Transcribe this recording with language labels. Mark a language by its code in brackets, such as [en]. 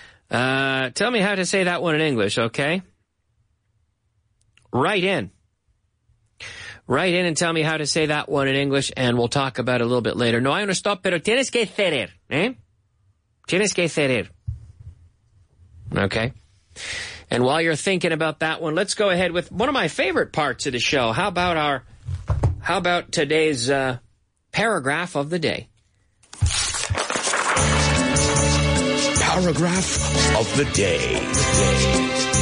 [en] Tell me how to say that one in English, okay? Write in and tell me how to say that one in English, and we'll talk about it a little bit later. [es] No hay un stop, pero tienes que ceder, ¿eh? Tienes que ceder. Okay. [en] And while you're thinking about that one, let's go ahead with one of my favorite parts of the show. How about today's paragraph of the day? Paragraph of the day.